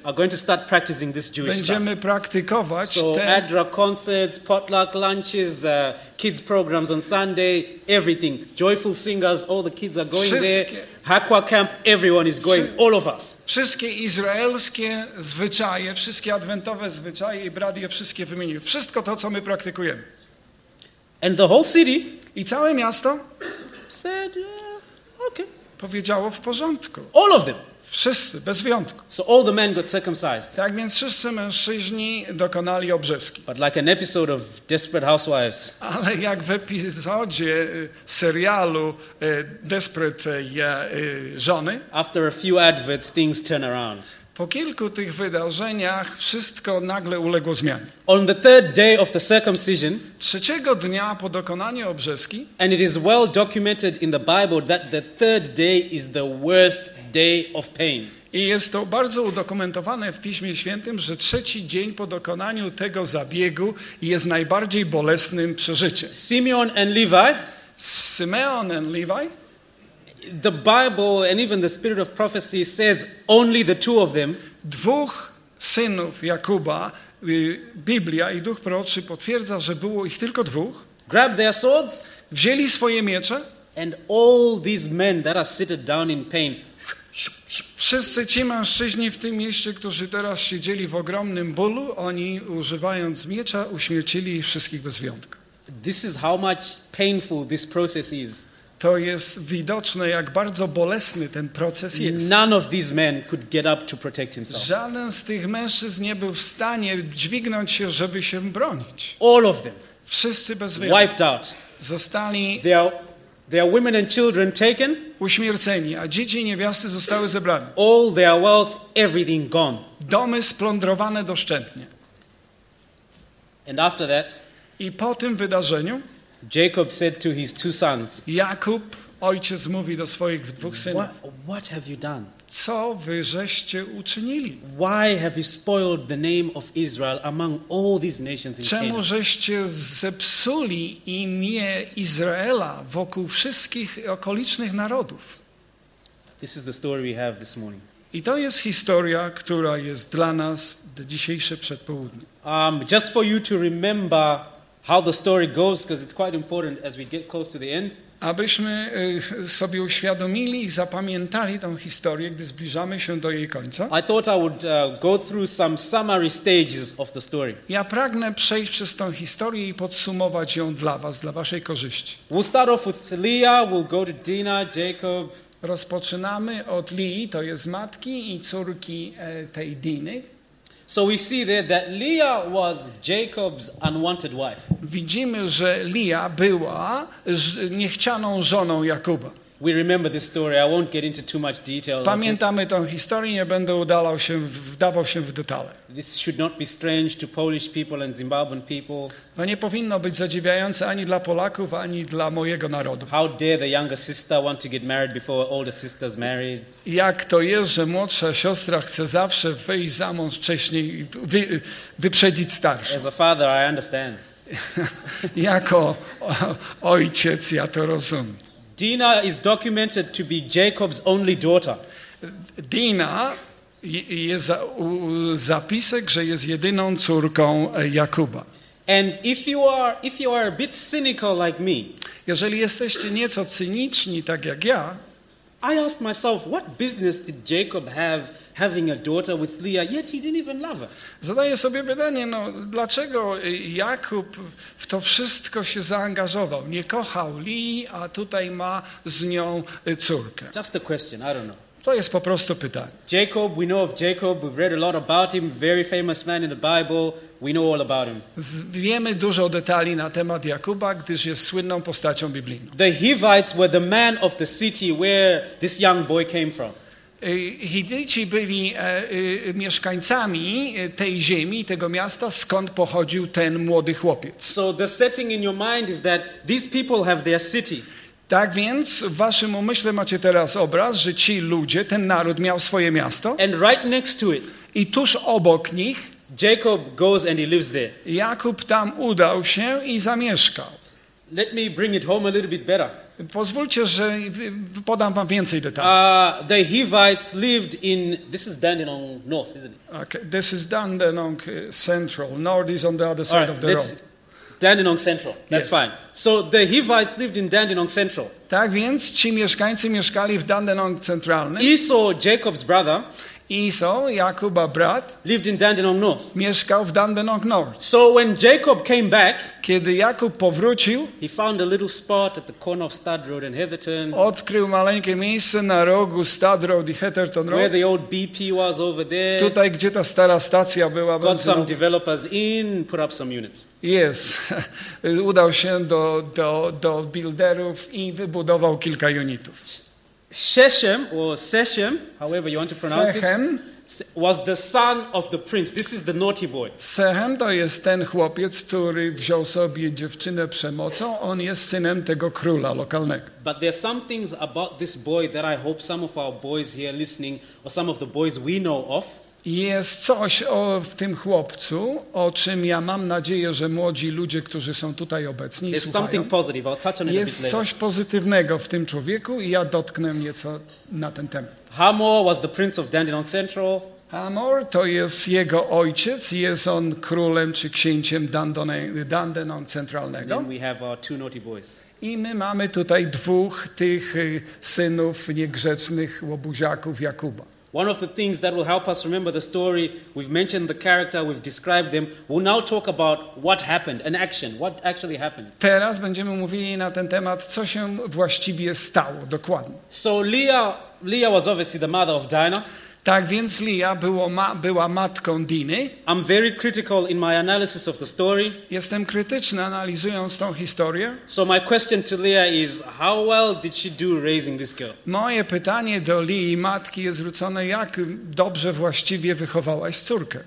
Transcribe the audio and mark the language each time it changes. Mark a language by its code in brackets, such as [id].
[en] are going to start practicing this Jewish [pl] będziemy [en] stuff. [pl] Praktykować [en] so [pl] ten... [en] Adra concerts, potluck lunches, kids programs on Sunday, everything. Joyful singers, all the kids are going [pl] wszystkie... [en] there. Hakwa camp, everyone is going, all of us. [pl] Wszystkie izraelskie zwyczaje, wszystkie adwentowe zwyczaje i brat je wszystkie wymienił. Wszystko to, co my praktykujemy. [en] And the whole city [pl] i całe miasto [en] said, okay. [pl] Powiedziało w porządku. [en] All of them. [pl] Wszyscy, bez wyjątku. [en] So all the men got circumcised. [pl] Tak więc wszyscy mężczyźni dokonali obrzeski. [en] But like an episode of Desperate Housewives. [pl] Ale jak w epizodzie serialu Desperate Żony. [en] After a few adverts, things turn around. [pl] Po kilku tych wydarzeniach wszystko nagle uległo zmianie. [en] On the third day of the circumcision, [pl] trzeciego dnia po dokonaniu obrzeski, [en] and it is well documented in the Bible that the third day is the worst day of pain. [pl] I jest to bardzo udokumentowane w Piśmie Świętym, że trzeci dzień po dokonaniu tego zabiegu jest najbardziej bolesnym przeżyciem. [en] Simeon and Levi, Simeon and Levi. The Bible and even the spirit of prophecy says only the two of them. [pl] Dwóch synów Jakuba, Biblia i duch proroczy potwierdza, że było ich tylko dwóch. [en] Grab their swords. [pl] Wzięli swoje miecze. [en] And all these men that are seated down in pain. [pl] Wszyscy ci mężczyźni w tym mieście, którzy teraz siedzieli w ogromnym bólu, oni używając miecza uśmiercili wszystkich bez wyjątku. [en] This is how much painful this process is. [pl] To jest widoczne, jak bardzo bolesny ten proces jest. [en] None of these men could get up to protect himself. [pl] Żaden z tych mężczyzn nie był w stanie dźwignąć się, żeby się bronić. [en] All of them. [pl] Wszyscy bez wyjątku. [en] Wiped out. [pl] Zostali. [en] Their women and children taken. [pl] Uśmierceni, a dzieci i niewiasty zostały zebrane. [en] All their wealth, everything gone. [pl] Domy splądrowane doszczętnie. [en] And after that. [pl] I po tym wydarzeniu. [en] Jacob said to his two sons. [pl] Jakub, ojciec mówi do swoich dwóch synów. [en] What have you done? [pl] Co wy żeście uczynili? [en] Why have you spoiled the name of Israel among all these nations in [pl] Czemu żeście zepsuli imię Izraela wokół wszystkich okolicznych narodów? [en] This is the story we have this morning. [pl] I to jest historia, która jest dla nas dzisiejsze przedpołudnie. [en] Just for you to remember how the story goes, because it's quite important as we get close to the end. [pl] Abyśmy sobie uświadomili i zapamiętali tą historię, gdy zbliżamy się do jej końca. [en] I thought I would go through some summary stages of the story. [pl] Ja pragnę przejść przez tą historię i podsumować ją dla was, dla waszej korzyści. [en] We'll start off with Leah, we'll go to Dinah, Jacob. [pl] Rozpoczynamy od Lii, to jest matki i córki tej Diny. [en] So we see there that Leah was Jacob's unwanted wife. [pl] Widzimy, że Lia była niechcianą żoną Jakuba. [en] We remember this story. I won't get into too much detail. [pl] Pamiętamy tę historię, nie będę wdawał się w detale. [en] This should not be strange to Polish people and Zimbabwean people. [pl] No nie powinno być zadziwiające ani dla Polaków, ani dla mojego narodu. [en] How dare the younger sister want to get married before her older sister's married? [pl] Jak to jest, że młodsza siostra chce zawsze wyjść za mąż wcześniej, wyprzedzić starszą? [en] As a father, I understand. [pl] Jako ojciec, ja to rozumiem. [en] Dina is documented to be Jacob's only daughter. [pl] Dina jest zapisek, że jest jedyną córką Jakuba. [en] And if you are a bit cynical like me. [pl] Jeżeli jesteście nieco cyniczni tak jak ja, [en] I ask myself, what business did Jacob have having a daughter with Leah, yet he didn't even love her? [pl] Zadaję sobie pytanie, no dlaczego Jakub w to wszystko się zaangażował? Nie kochał Lii, a tutaj ma z nią córkę. [en] Just a question, I don't know. [pl] To jest po prostu pytanie. [en] Jacob, we know of Jacob, we've read a lot about him, very famous man in the Bible, we know all about him. [pl] Wiemy dużo detali na temat Jakuba, gdyż jest słynną postacią biblijną. [en] The Hivites were the man of the city where this young boy came from. [pl] Hidyci byli mieszkańcami tej ziemi, tego miasta, skąd pochodził ten młody chłopiec. [en] So the setting in your mind is that these people have their city. [pl] Tak więc w waszym umyśle macie teraz obraz, że ci ludzie, ten naród miał swoje miasto. [en] And right next to it, [pl] i tuż obok nich [en] Jacob goes and he lives there. [pl] Jakub tam udał się i zamieszkał. [en] Let me bring it home a little bit better. [pl] Pozwólcie, że podam wam więcej detali. [en] The Hivites lived in, this is Dandenong North, isn't it? Okay, this is Dandenong Central. North is on the other side of the road. Dandenong Central. That's fine. So the Hivites lived in Dandenong Central. [pl] Tak więc ci mieszkańcy mieszkali w Dandenong Centralnym. [en] Esau, Jacob's brother, [pl] Esau, Jakuba brat, [en] lived in Dandenong North. [pl] Mieszkał w Dandenong North. [en] So when Jacob came back, [pl] kiedy Jakub powrócił, [en] he found a little spot at the corner of Stud Road and Heatherton. [pl] Odkrył maleńkie miejsce na rogu Stud Road i Heatherton Road. [en] Where the old BP was over there. [pl] Tutaj gdzie ta stara stacja była. [en] Got some developers in, put up some units. Yes. [pl] Udał się do builderów i wybudował kilka unitów. [en] Sechem, however you want to pronounce [pl] Sechem, [en] it, was the son of the prince. This is the naughty boy. [pl] Sechem to jest ten chłopiec, który wziął sobie dziewczynę przemocą. On jest synem tego króla lokalnego. [en] But there are some things about this boy that I hope some of our boys here listening, or some of the boys we know of. [pl] Jest coś w tym chłopcu, o czym ja mam nadzieję, że młodzi ludzie, którzy są tutaj obecni, słuchają. Jest coś pozytywnego w tym człowieku i ja dotknę nieco na ten temat. [en] Hamor was the prince of Dandenong Central. [pl] Hamor to jest jego ojciec, jest on królem czy księciem Dandenong Centralnego. [en] And we have our two naughty boys. [pl] I my mamy tutaj dwóch tych synów niegrzecznych łobuziaków Jakuba. [en] One of the things that will help us remember the story, we've mentioned the character, we've described them, we'll now talk about what happened, an action, what actually happened. [pl] Teraz będziemy mówili na ten temat, co się właściwie stało, dokładnie. [en] So Leah was obviously the mother of Dinah. [pl] Tak więc Leah była matką Diny. [en] I'm very critical in my analysis of the story. [pl] Jestem krytyczny analizując tą historię. [en] So my question to Leah is, how well did she do raising this girl? [pl] Moje pytanie do Lii, matki, jest zwrócone, jak dobrze właściwie wychowałaś córkę.